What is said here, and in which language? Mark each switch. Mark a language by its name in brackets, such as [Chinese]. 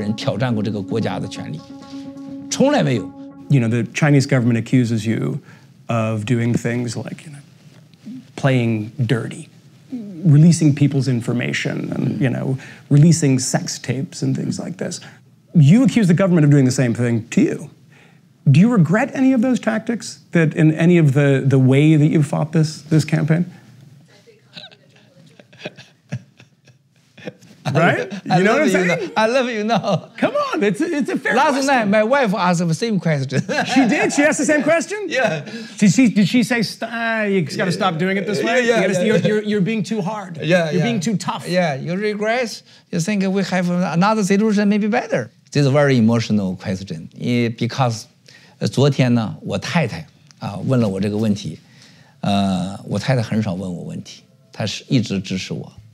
[Chinese] 非常清楚的是，因为中国在过去的一百年，没有任何一个个人挑战过这个国家的权利，从来没有。 [English] You know, the Chinese government accuses you of doing things like, you know, playing dirty, releasing people's information, and, you know, releasing sex tapes and things like this. You accuse the government of doing the same thing to you. Do you regret any of those tactics, that in any of the way that you fought this campaign? Right? You know what I'm saying? I love you now. Come on, it's a fair Last question. Last night, my wife asked the same question. She did? She asked the same question? Yeah. Did she say, you got to stop doing it this way? You're being too hard. Yeah, you're being too tough. Yeah, you regress. You think we have another solution, maybe better. This is a very emotional question. [Chinese] Because 昨天呢，我太太问了我这个问题，我太太很少问我问题，她是一直支持我。